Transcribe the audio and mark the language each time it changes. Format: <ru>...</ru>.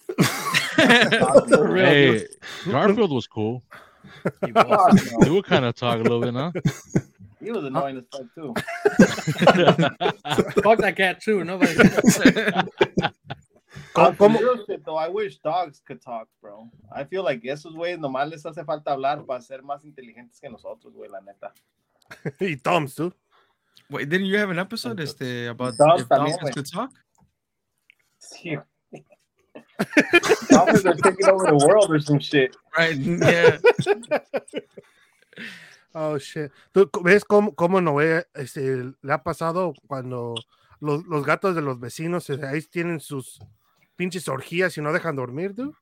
<en>Hey, Garfield was cool. He would kind of talk a little bit, huh? He was annoying as fuck, too. Fuck that cat, too. Nobody. Real shit, though. I wish dogs could talk, bro. I feel like</en> <es>esos güeyes nomás les hace falta hablar para ser más inteligentes que nosotros, güey, la neta.</es> <en>Y Tom's, too. Wait, didn't you have an episode about dogs, if dogs could talk? Dogs are taking over the world or some shit. Right, yeah. Oh, shit.</en> <es>¿Ves cómo Noé le ha pasado cuando los gatos de los vecinos ahí tienen sus pinches orgías y no dejan dormir, dude?</es>